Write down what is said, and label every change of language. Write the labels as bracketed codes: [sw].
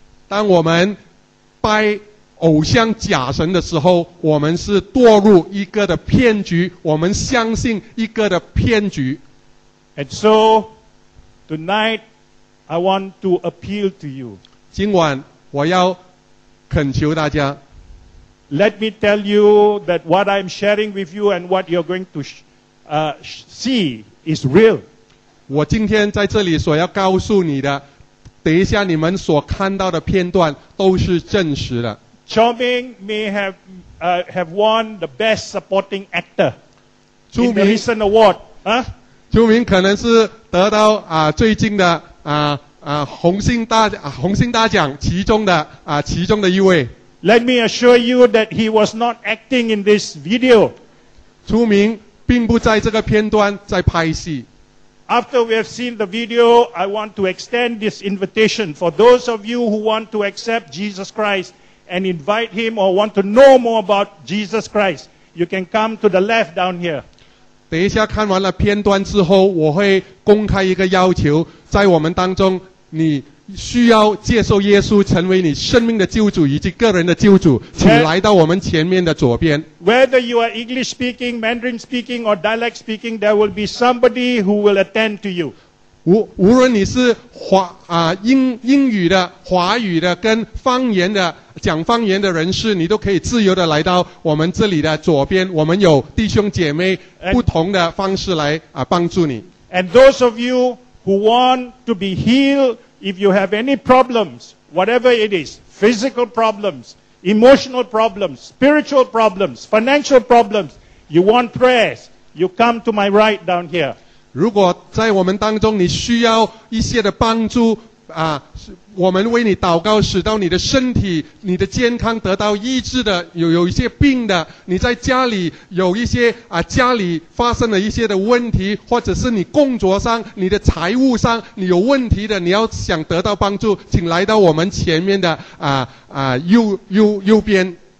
[zh] 当我们拜偶像假神的时候，我们是堕入一个的骗局，我们相信一个的骗局。 [en] And so, tonight, I want to appeal to you. [zh] 今晚我要恳求大家。 [en] Let me tell you that what I'm sharing with you and what you're going to see is real. [zh] 我今天在这里所要告诉你的，等一下你们所看到的片段都是真实的。 [en] Chew Chor Meng may have won the best supporting actor in the recent award. [zh] Chew Chor Meng 可能是得到最近的红星大奖其中的一位。 [en] Let me assure you that he was not acting in this video. [zh] Chew Chor Meng 并不在这个片段在拍戏。 [en] After we have seen the video, I want to extend this invitation for those of you who want to accept Jesus Christ. And invite him or want to know more about Jesus Christ, you can come to the left down here. [zh] 等一下看完了片段之后，我会公开一个要求，在我们当中，你需要接受耶稣成为你生命的救主以及个人的救主，请来到我们前面的左边。 [en] Whether you are English speaking, Mandarin speaking, or dialect speaking, there will be somebody who will attend to you. [zh] 无论你是英语的、华语的、跟方言的、讲方言的人士，你都可以自由的来到我们这里的左边。我们有弟兄姐妹不同的方式来帮助你。 [en] And those of you who want to be healed, if you have any problems, whatever it is, physical problems, emotional problems, spiritual problems, financial problems, you want prayers, you come to my right down here. [zh] 如果在我们当中你需要一些的帮助我们为你祷告，使到你的身体、你的健康得到医治的，有一些病的，你在家里有一些家里发生了一些的问题，或者是你工作上、你的财务上你有问题的，你要想得到帮助，请来到我们前面的右边。